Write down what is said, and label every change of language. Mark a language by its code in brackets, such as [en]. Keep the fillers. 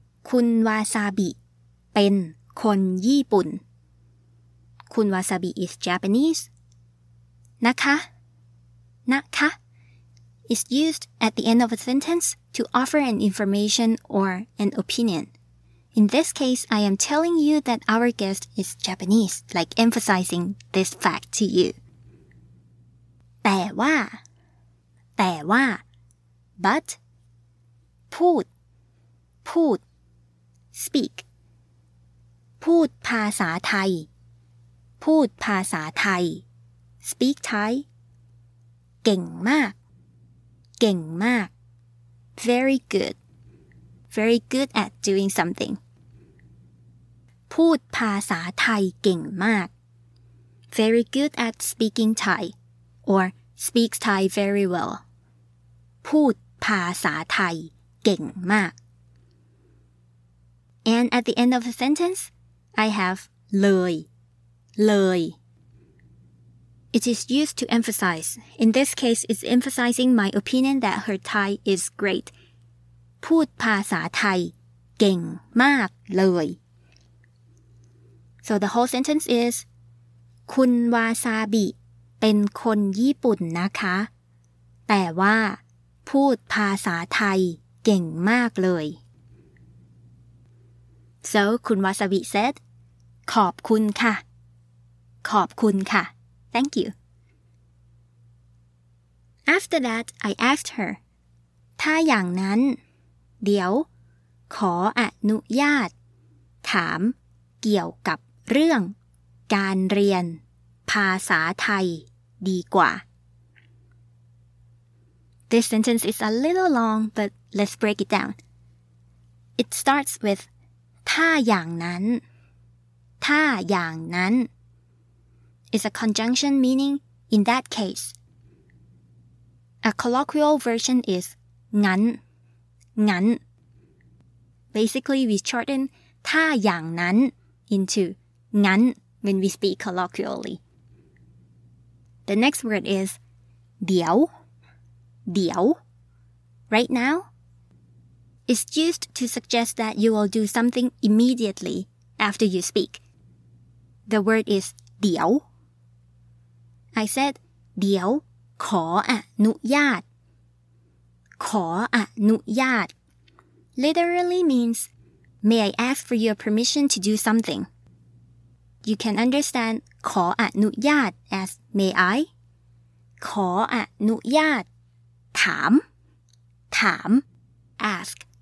[th] คุณวาซาบิ เป็นคนญี่ปุ่น [en] คุณวาซาบิ is Japanese นะคะ นะคะ is used at the end of a sentence to offer an information or an opinion. In this case, I am telling you that our guest is Japanese, like emphasizing this fact to you. แต่ว่า แต่ว่า but พูด พูด speak พูดภาษาไทย พูดภาษาไทย speak Thai เก่งมาก เก่งมาก very good very good at doing something พูดภาษาไทยเก่งมาก very good at speaking Thai or speaks Thai very well พูดภาษาไทยเก่งมาก and at the end of the sentence I have เลย เลย It is used to emphasize. In this case, it's emphasizing my opinion that her Thai is great. พูดภาษาไทย เก่งมากเลย So the whole sentence is [th] คุณวาซาบิเป็นคนญี่ปุ่นนะคะ แต่ว่า พูดภาษาไทย เก่งมากเลย [en] So คุณวาซาบิ said ขอบคุณค่ะ ขอบคุณค่ะ Thank you. After that, I asked her, [th] ถ้าอย่างนั้น เดี๋ยว ขออนุญาต ถาม เกี่ยวกับเรื่อง การเรียน ภาษาไทย ดีกว่า [en] This sentence is a little long, but let's break it down. It starts with ถ้าอย่างนั้น ถ้าอย่างนั้น is a conjunction meaning in that case. A colloquial version is งั้น งั้น Basically, we shorten ถ้าอย่างนั้น into งั้น when we speak colloquially. The next word is เดี๋ยว เดี๋ยว Right now, it's used to suggest that you will do something immediately after you speak. The word is เดี๋ยว I said เดี๋ยว ขออนุญาต ขออนุญาต literally means may I ask for your permission to do something you can understand ขออนุญาต as may I ขออนุญาต ถาม ถาม ask